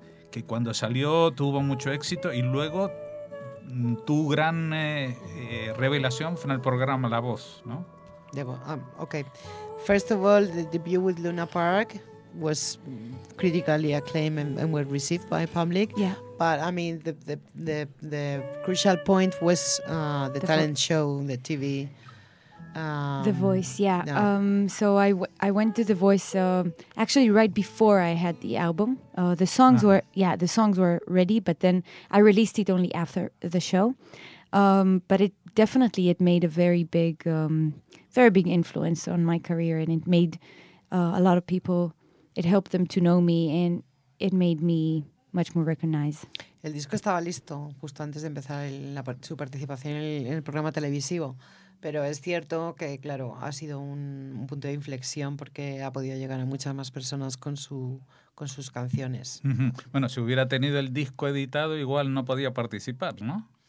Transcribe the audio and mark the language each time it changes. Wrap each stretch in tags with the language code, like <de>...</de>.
<es>Que cuando salió tuvo mucho éxito y luego tu gran revelación fue en el programa La Voz, ¿no?</es> <en>Okay. First of all, the debut with Luna Park was critically acclaimed and well received by public. Yeah. But I mean, the crucial point was the talent show, the TV. The Voice, yeah. So I went to The Voice actually right before I had the album. The songs were ready, but then I released it only after the show. But it definitely made a very big, very big influence on my career, and it made a lot of people. It helped them to know me, and it made me much more recognized.</en> <es>El disco estaba listo justo antes de empezar su participación en el programa televisivo. Pero es cierto que, claro, ha sido un punto de inflexión porque ha podido llegar a muchas más personas con sus canciones. Uh-huh. Bueno, si hubiera tenido el disco editado, igual no podía participar, ¿no?</es>